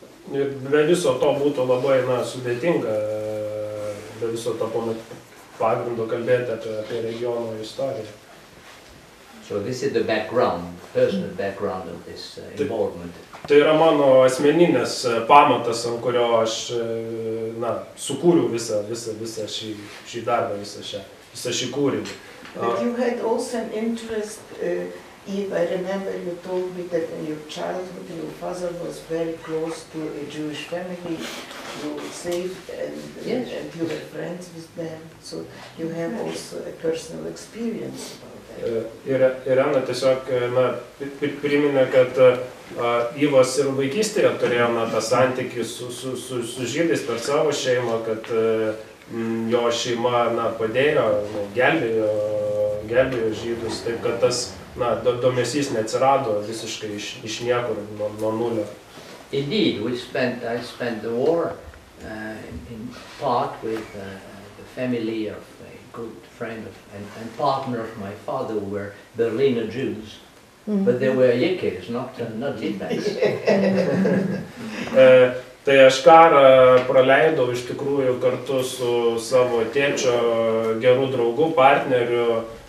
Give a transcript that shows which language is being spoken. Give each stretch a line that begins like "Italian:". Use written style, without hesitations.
Lithuanian: Be viso to būtų labai sudėtinga, be viso to pagrindo kalbėti apie regiono istoriją.
English: So this is the background, personal background of this involvement.
Lithuanian: Tai yra mano asmeninės pamatas, ant kurio aš sukūriau visą šį darbą, visą šį kūrinį.
English: But you had also an interest, Eve, I remember you told me that in your childhood your father was very close to a Jewish family, you saved and you were friends with them, so you have also a personal experience.
Lithuanian: Irena tiesiog priminė, kad Ivas ir vaikystėje turėjo tą santykį su žydais per savo šeimą, kad jo šeima padėjo, gelbėjo žydus, taip kad tas domesys neatsirado visiškai iš niekur, nuo nulio.
English: Indeed, I spent the war in part with the family of a good friend of, and partner of my father who were Berliner Jews. Mm-hmm. But they were Yekis, not Litvaks.
Lithuanian: Tai aš karą praleidau iš tikrųjų kartu su savo tėčio geru draugu, partneriu.